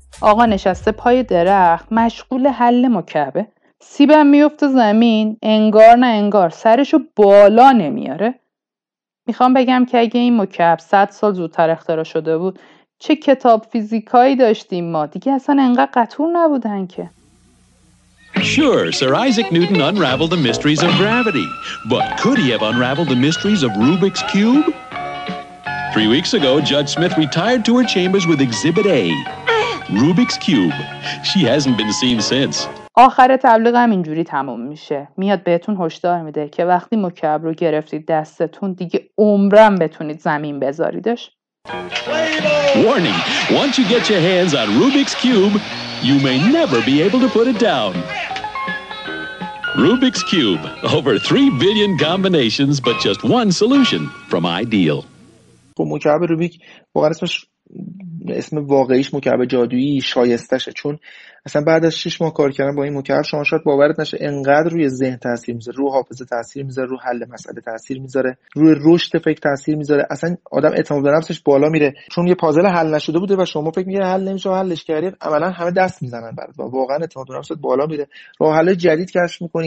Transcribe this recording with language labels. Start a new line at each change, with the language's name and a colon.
Persian: آقا نشسته پای درخت مشغول حل مکعبه، سیبم میفته زمین، انگار نه انگار سرشو بالا نمیاره. میخوام بگم که اگه این مکعب 100 سال زودتر اختراع شده بود چه کتاب فیزیکایی داشتیم ما، دیگه اصلا انقدر قطور نبودن که.
English: Sure, Sir Isaac Newton unraveled the mysteries of gravity, but could he have unraveled the mysteries of Rubik's Cube? 3 weeks ago, Judge Smith retired to her chambers with Exhibit A, Rubik's Cube. She hasn't been seen since.
Persian: آخر تبلیغ هم اینجوری تموم میشه. میاد بهتون هشدار میده که وقتی مکعب رو گرفتید دستتون دیگه عمرم بتونید زمین بذاریدش.
English: Warning, once you get your hands on Rubik's Cube, you may never be able to put it down. Rubik's Cube. Over 3 billion combinations, but just one solution from Ideal.
Persian: خب مکعب روبیک واقعا اسم واقعیش مکعب جادویی شایستشه، چون اصلا بعد از 6 ماه کار کردن با این مکعب شما شاید باورت نشه انقدر روی ذهن تاثیر میذاره، روی حافظه تاثیر میذاره، روی حل مسئله تاثیر میذاره، روی رشد فکر تاثیر میذاره. اصلا آدم اعتماد به نفسش بالا میره، چون یه پازل حل نشده بوده و شما فکر میگه حل نمیشه، حلش کردید عملا همه دست میزنن برات، واقعا اعتماد به نفست بالا میره، راه حل جدید کشف میکنی.